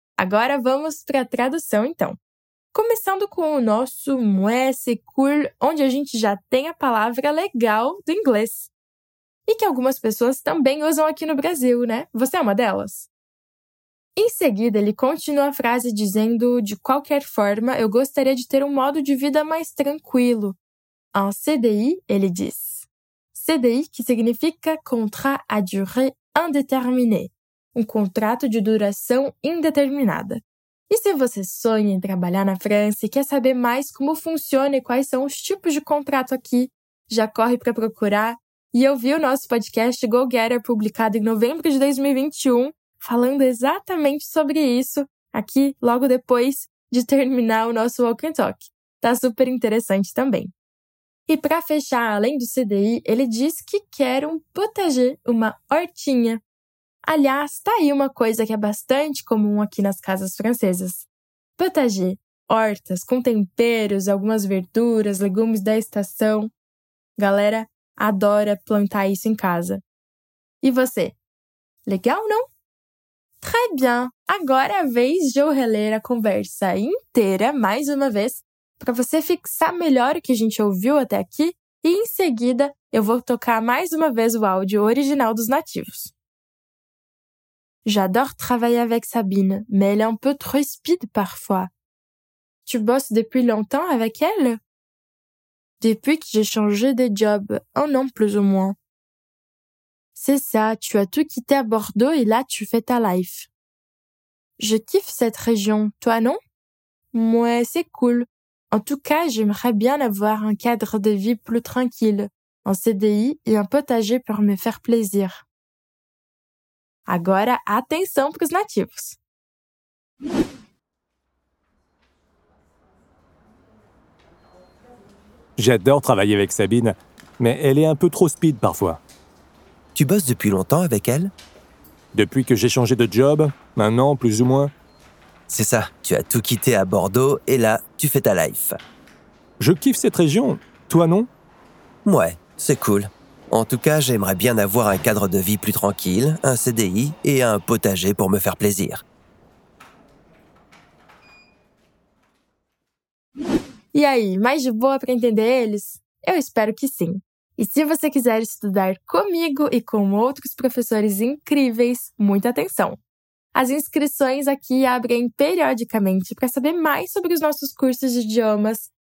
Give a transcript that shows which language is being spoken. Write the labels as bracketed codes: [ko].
[pt] Agora vamos para a tradução, então. Começando com o nosso [fr] moi, c'est cool, [pt] onde a gente já tem a palavra legal do inglês. E que algumas pessoas também usam aqui no Brasil, né? Você é uma delas? Em seguida, ele continua a frase dizendo: De qualquer forma, eu gostaria de ter um modo de vida mais tranquilo. Un CDI, ele diz. CDI, que significa [fr] contrat à durée indéterminée. [pt] Um contrato de duração indeterminada. E se você sonha em trabalhar na França e quer saber mais como funciona e quais são os tipos de contrato aqui, já corre para procurar. E eu vi o nosso podcast Go Getter, publicado em novembro de 2021, falando exatamente sobre isso, aqui logo depois de terminar o nosso Walk and Talk. Tá super interessante também. E para fechar, além do CDI, ele diz que quer um potager, uma hortinha. Aliás, tá aí uma coisa que é bastante comum aqui nas casas francesas. Potager, hortas com temperos, algumas verduras, legumes da estação. Galera adora plantar isso em casa. E você? Legal, não? [fr] Très bien! [pt] Agora é a vez de eu reler a conversa inteira mais uma vez para você fixar melhor o que a gente ouviu até aqui e, em seguida, eu vou tocar mais uma vez o áudio original dos nativos. [fr] J'adore travailler avec Sabine, mais elle est un peu trop speed parfois. Tu bosses depuis longtemps avec elle? Depuis que j'ai changé de job, un an plus ou moins. C'est ça, tu as tout quitté à Bordeaux et là tu fais ta life. Je kiffe cette région, toi non? Ouais, c'est cool. En tout cas, j'aimerais bien avoir un cadre de vie plus tranquille, un CDI et un potager pour me faire plaisir. [pt] Agora, atenção para os nativos. [fr] J'adore travailler avec Sabine, mais elle est un peu trop speed parfois. Tu bosses depuis longtemps avec elle? Depuis que j'ai changé de job, un an plus ou moins. C'est ça, tu as tout quitté à Bordeaux et là, tu fais ta life. Je kiffe cette région, toi non? Ouais, c'est cool. En tout cas, j'aimerais bien avoir un cadre de vie plus tranquille, un CDI et un potager pour me faire plaisir. [pt] E aí, mais de boa para entender eles? Eu espero que sim. E se você quiser estudar comigo e com outros professores incríveis, muita atenção! As inscrições aqui abrem periodicamente para saber mais sobre os nossos cursos de idiomas.